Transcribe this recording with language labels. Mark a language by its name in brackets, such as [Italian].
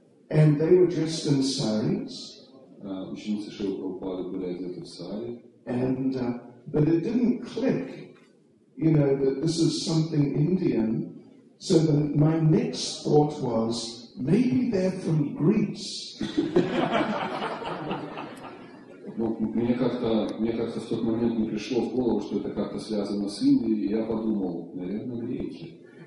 [English] And they were dressed in saris. [Russian] Ученицы Шрилы Прабхупады были одеты в сари. [English] And but it didn't click, you know, that this is something Indian. So that my next thought was, maybe they're from Greece. [Russian] Мне как-то в тот момент не пришло в голову, что это как-то связано с Индией, и я подумал, наверное, греки.